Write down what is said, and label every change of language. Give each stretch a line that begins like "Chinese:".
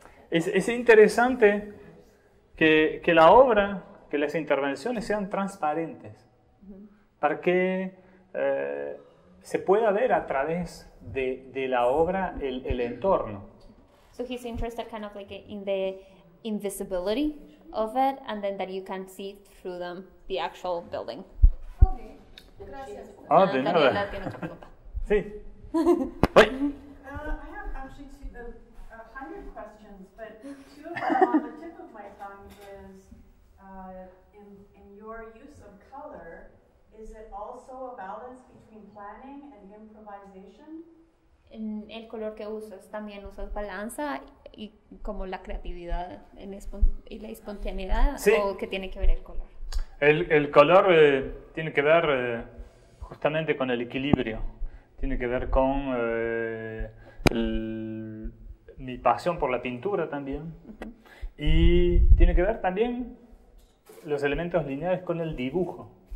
Spanish: es interesante que la obra, que las intervenciones sean transparentes, mm-hmm. para que se puede ver a través de la obra el entorno.
English: So he's interested kind of like in the invisibility of it, and then that you can see through them the actual building.
Spanish: Okay, gracias. Ah, de nada. Daniela, sí. Hoy.
English: I have actually 100 questions, but two of them on the tip of my tongue is in your use of color. Is it also a balance between planning and improvisation?
Spanish: En el color que usas, también usas balanza y como la creatividad en y la espontaneidad, sí. ¿O qué tiene que ver el color? El color tiene que ver justamente con el equilibrio, tiene que ver con mi pasión por la pintura también, uh-huh. y tiene que ver también los elementos lineales con el dibujo.